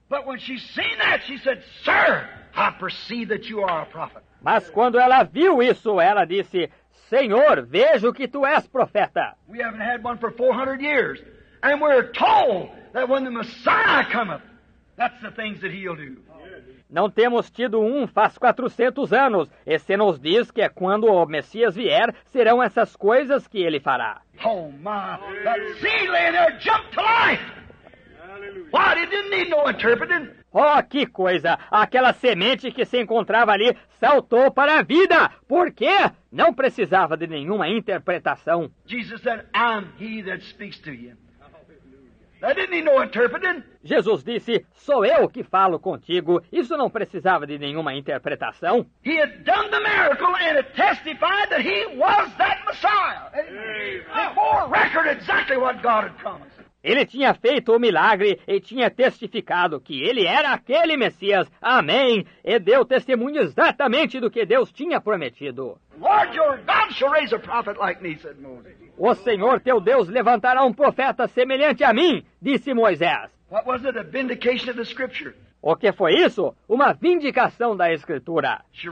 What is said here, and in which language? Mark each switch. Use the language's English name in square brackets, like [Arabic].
[Portuguese] Mas quando ela viu isso, ela disse, Sir, eu percebo que você é um profeta. Mas quando ela viu isso, ela disse, Senhor, vejo que tu és profeta. [English] We haven't had one for 400 years, and we're told that when the Messiah cometh, that's the things that he'll do. [Portuguese] Não temos tido um faz 400 anos, e se nos diz que é quando o Messias vier, serão essas coisas que ele fará. [English] Oh my, that sea layer jumped to life. Why, it didn't need no interpreting. [Portuguese] Oh, que coisa! Aquela semente que se encontrava ali saltou para a vida. Por quê? Não precisava de nenhuma interpretação. [English] Jesus said, I'm he that speaks to you. That didn't need no interpreting. [Portuguese] Jesus disse, sou eu que falo contigo. Isso não precisava de nenhuma interpretação. [English] He had done the miracle and it testified that he was that Messiah. It bore record exactly what God had promised. [Portuguese] Ele tinha feito o milagre e tinha testificado que ele era aquele Messias. Amém! E deu testemunho exatamente do que Deus tinha prometido. [English] Lord, your God shall raise a prophet like me, said Moses. [Portuguese] O Senhor teu Deus levantará um profeta semelhante a mim, disse Moisés. [English] What was it, a vindication of the scripture? [Portuguese] O que foi isso? Uma vindicação da Escritura.